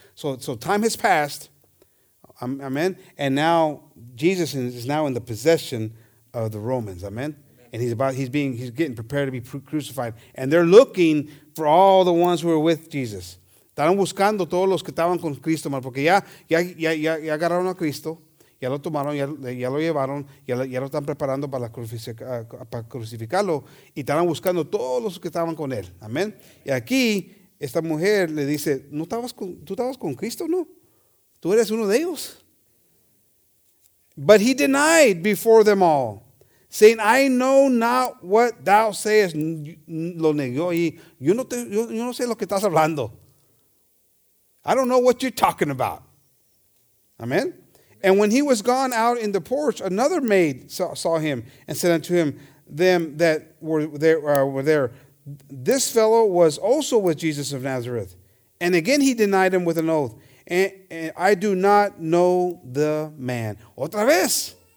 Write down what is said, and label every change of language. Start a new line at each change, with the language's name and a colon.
English: So time has passed, amen, and now Jesus is now in the possession of the Romans, amen? And he's getting prepared to be crucified. And they're looking for all the ones who are with Jesus.
Spanish: Están buscando todos los que estaban con Cristo, porque ya agarraron a Cristo, ya lo tomaron, ya lo llevaron, ya lo están preparando para crucificarlo, y están buscando todos los que estaban con él, amen? Y aquí, esta mujer le dice, ¿tú estabas con Cristo, no? ¿Tú eres uno de ellos?
English: But he denied before them all, saying, I know not what thou sayest.
Spanish: Lo negó y yo no sé lo que estás hablando.
English: I don't know what you're talking about. Amen. And when he was gone out in the porch, another maid saw him and said unto him, them that were there, this fellow was also with Jesus of Nazareth. And again he denied him with an oath. And I do not know the man.
Spanish: Otra vez.